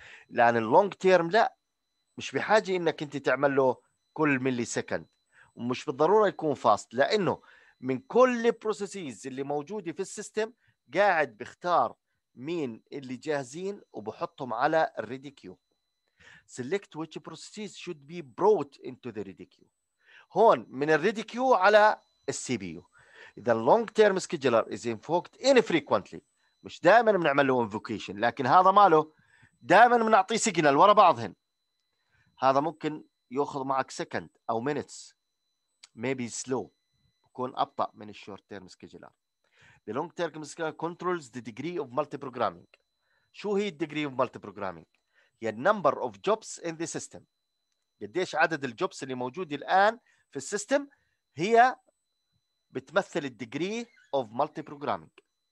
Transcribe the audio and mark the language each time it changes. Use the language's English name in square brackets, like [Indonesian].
[Arabic] لان اللونج تيرم لا، مش بحاجه انك انت تعمل له كل ملي سكند، ومش بالضروره يكون فاست، لانه من كل البروسيسز اللي موجوده في السيستم قاعد بختار مين اللي جاهزين وبحطهم على الريدي كيو. [English] select which processes should be brought into the ready queue. [Arabic] هون من الريدي كيو على السي بي يو. اذا [English] long term scheduler is invoked infrequently، [Arabic] مش دائما بنعمل له invocation، لكن هذا ماله دائما بنعطيه سيجنال ورا بعضهن، هذا ممكن ياخذ معك سكند او مينتس، [English] maybe slow، [Arabic] بكون ابطا من الشورت تيرم سكيجلر. [English] The long term scheduler controls the degree of multi-programming. [Arabic] شو هي [English] degree of multi-programming؟ هي the number of jobs in the system. [Arabic] قديش عدد الجوبس اللي موجود الآن في السيستم هي بتمثل [English] the degree of multi-programming.